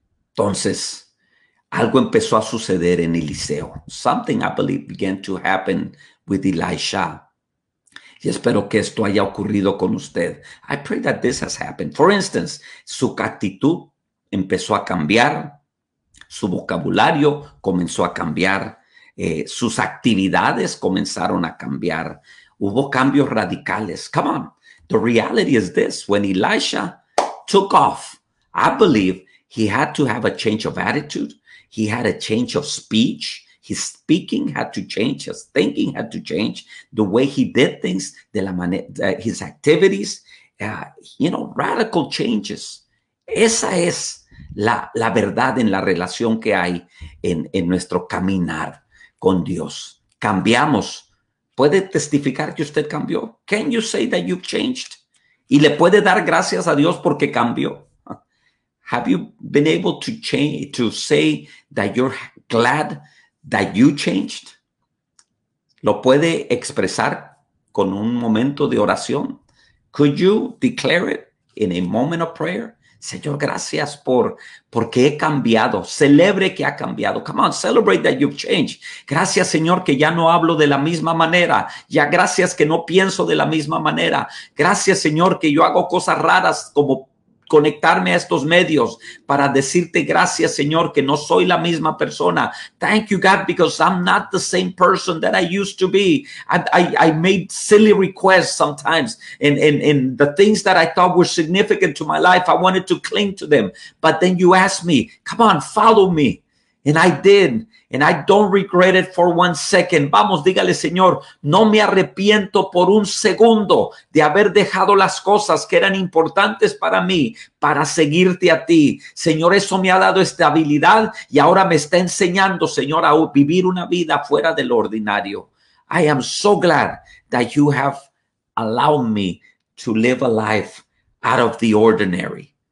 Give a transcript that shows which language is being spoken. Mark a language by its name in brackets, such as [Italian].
[Spanish] Entonces, algo empezó a suceder en Eliseo. [English] Something, I believe, began to happen with Elisha. [Spanish] Y espero que esto haya ocurrido con usted. [English] I pray that this has happened. For instance, [Spanish] su actitud empezó a cambiar. Su vocabulario comenzó a cambiar. Sus actividades comenzaron a cambiar. Hubo cambios radicales. [English] Come on. The reality is this. When Elisha took off, I believe he had to have a change of attitude. He had a change of speech. His speaking had to change. His thinking had to change. The way he did things, [Spanish] de la manera, [English] his activities, radical changes. [Spanish] Esa es la verdad en la relación que hay en nuestro caminar con Dios. Cambiamos. ¿Puede testificar que usted cambió? [English] Can you say that you've changed? [Spanish] ¿Y le puede dar gracias a Dios porque cambió? [English] Have you been able to change, to say that you're glad that you changed? [Spanish] ¿Lo puede expresar con un momento de oración? [English] Could you declare it in a moment of prayer? [Spanish] Señor, gracias porque he cambiado. Celebre que ha cambiado. [English] Come on, celebrate that you've changed. [Spanish] Gracias, Señor, que ya no hablo de la misma manera. Ya gracias que no pienso de la misma manera. Gracias, Señor, que yo hago cosas raras como conectarme a estos medios para decirte gracias, Señor, que no soy la misma persona. [English] Thank you, God, because I'm not the same person that I used to be. I made silly requests sometimes, and the things that I thought were significant to my life, I wanted to cling to them. But then you asked me, come on, follow me. And I did. And I don't regret it for one second. [Spanish] Vamos, dígale, Señor, no me arrepiento por un segundo de haber dejado las cosas que eran importantes para mí para seguirte a ti. Señor, eso me ha dado estabilidad y ahora me está enseñando, Señor, a vivir una vida fuera de lo ordinario. [English] I am so glad that you have allowed me to live a life out of the ordinary.